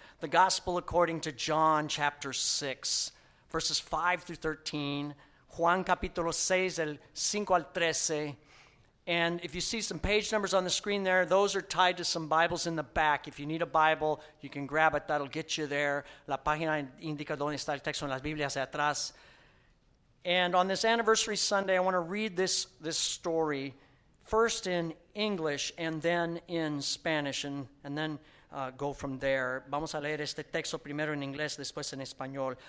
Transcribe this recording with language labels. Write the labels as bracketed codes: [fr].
[en] The Gospel according to John, chapter 6, verses 5 through 13. [es] Juan, capítulo 6, el 5 al 13. [en] And if you see some page numbers on the screen there, those are tied to some Bibles in the back. If you need a Bible, you can grab it. That'll get you there. [es] La página indica dónde está el texto en las Biblias de atrás. [en] And on this anniversary Sunday, I want to read this story first in English and then in Spanish, and then go from there. [es] Vamos a leer este texto primero en inglés, después en español.